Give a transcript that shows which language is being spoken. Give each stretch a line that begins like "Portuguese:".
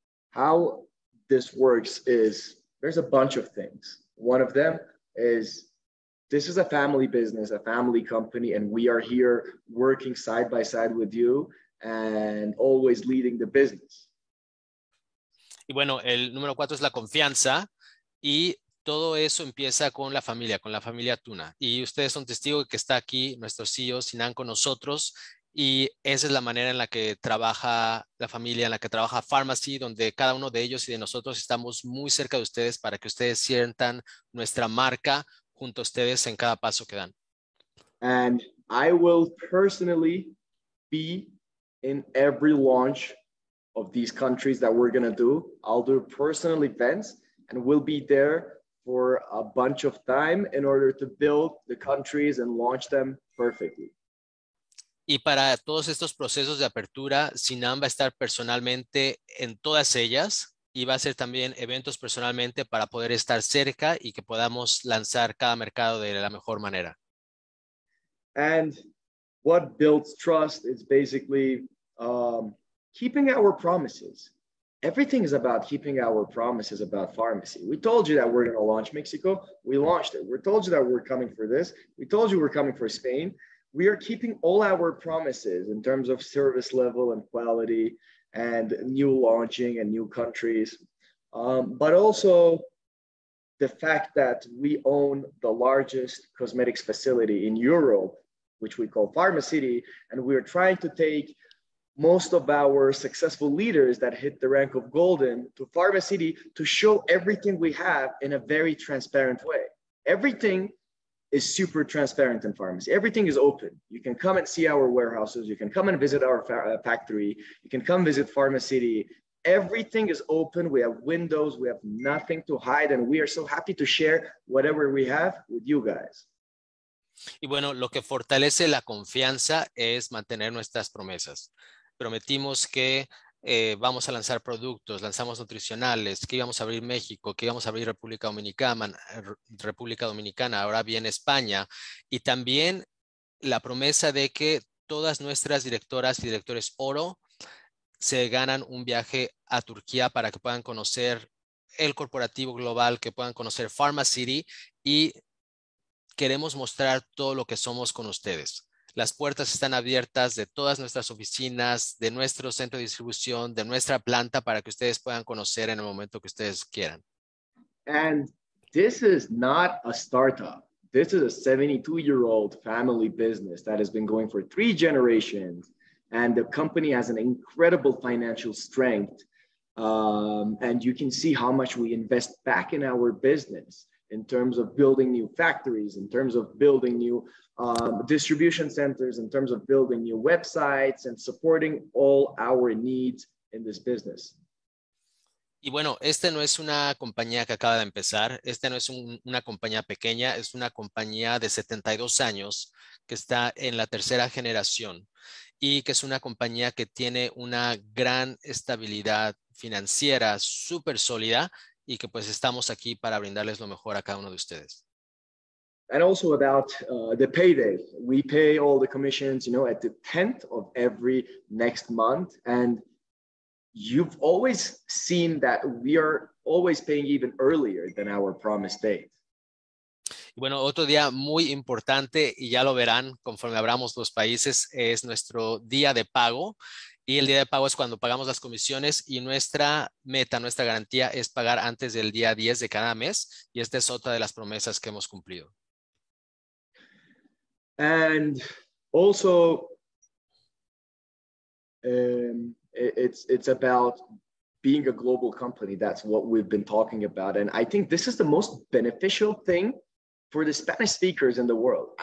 English: How this works is there's a bunch of things. One of them is this is a family business, a family company, and we are here working side by side with you and always leading the business.
Spanish: Y bueno, el número cuatro es la confianza y todo eso empieza con la familia Tuna. Y ustedes son testigos de que está aquí nuestro CEO Sinan con nosotros. Y esa es la manera en la que trabaja la familia, en la que trabaja Pharmacy, donde cada uno de ellos y de nosotros estamos muy cerca de ustedes para que ustedes sientan nuestra marca junto a ustedes en cada paso que dan.
English: And I will personally be in every launch of these countries that we're going to do. I'll do personal events and we'll be there for a bunch of time in order to build the countries and launch them perfectly.
Spanish: Y para todos estos procesos de apertura, Sinan va a estar personalmente en todas ellas y va a hacer también eventos personalmente para poder estar cerca y que podamos lanzar cada mercado de la mejor manera.
English: And what builds trust is basically keeping our promises. Everything is about keeping our promises about Pharmacy. We told you that we're going to launch Mexico. We launched it. We told you that we're coming for this. We told you we're coming for Spain. We are keeping all our promises in terms of service level and quality and new launching and new countries. But also the fact that we own the largest cosmetics facility in Europe, which we call Pharmacity, and we are trying to take most of our successful leaders that hit the rank of golden to Pharmacity to show everything we have in a very transparent way. Everything is super transparent in Pharmacy. Everything is open. You can come and see our warehouses. You can come and visit our factory. You can come visit Pharmacity. Everything is open. We have windows. We have nothing to hide. And we are so happy to share whatever we have with you guys.
Spanish: Y bueno, lo que fortalece la confianza es mantener nuestras promesas. Prometimos que vamos a lanzar productos, lanzamos nutricionales, que íbamos a abrir México, que íbamos a abrir República Dominicana, ahora viene España. Y también la promesa de que todas nuestras directoras y directores oro se ganan un viaje a Turquía para que puedan conocer el corporativo global, que puedan conocer Pharmacity, y queremos mostrar todo lo que somos con ustedes. Las puertas están abiertas de todas nuestras oficinas, de nuestro centro de distribución, de nuestra planta para que ustedes puedan conocer en el momento que ustedes quieran.
English: And this is not a startup. This is a 72-year-old family business that has been going for 3 generations. And the company has an incredible financial strength. And you can see how much we invest back in our business in terms of building new factories, in terms of building new distribution centers, in terms of building new websites and supporting all our needs in this business.
Spanish: Y bueno, este no es una compañía que acaba de empezar. Este no es una compañía pequeña. Es una compañía de 72 años que está en la tercera generación y que es una compañía que tiene una gran estabilidad financiera súper sólida y que pues estamos aquí para brindarles lo mejor a cada uno de ustedes.
English: And also about the payday. We pay all the commissions, you know, at the 10th of every next month. And you've always seen that we are always paying even earlier than our promised date.
Spanish: Bueno, otro día muy importante, y ya lo verán conforme abramos los países, es nuestro día de pago. Y el día de pago es cuando pagamos las comisiones y nuestra meta, nuestra garantía es pagar antes del día 10 de cada mes. Y esta es otra de las promesas que hemos cumplido.
English: And also, it's about being a global company. That's what we've been talking about. And I think this is the most beneficial thing for the Spanish speakers in the world.